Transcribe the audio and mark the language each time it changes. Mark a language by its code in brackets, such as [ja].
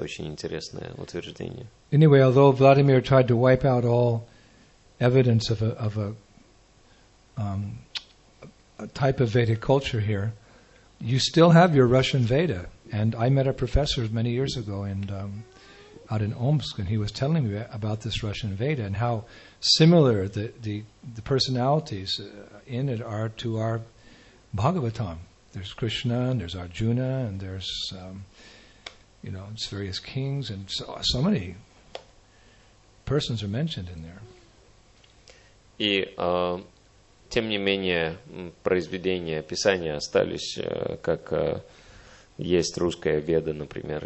[ru] Очень интересное утверждение. [en] Anyway, although Vladimir tried to wipe out all evidence of a type of Vedic culture here, you still have your Russian Veda. And I met a professor many years ago out in Omsk, and he was telling me about this Russian Veda and how similar the personalities in it are to our Bhagavatam. There's Krishna and there's Arjuna and there's you know, it's various kings and so many persons are mentioned in there. [ru] И тем не менее произведения писания остались как есть русская Веда, например.